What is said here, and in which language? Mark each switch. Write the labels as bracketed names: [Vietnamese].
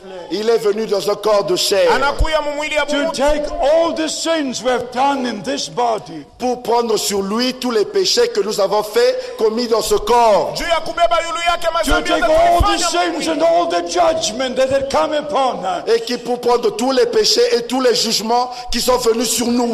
[French] Il est venu dans un corps de chair. [English] To take all the sins we have done in this body. [French] Pour prendre sur lui tous les péchés que nous avons faits, commis dans ce corps. [English] To take all the sins and all the judgment that had come upon us. [French] Et qui pour prendre tous les péchés et tous les jugements qui sont venus sur nous.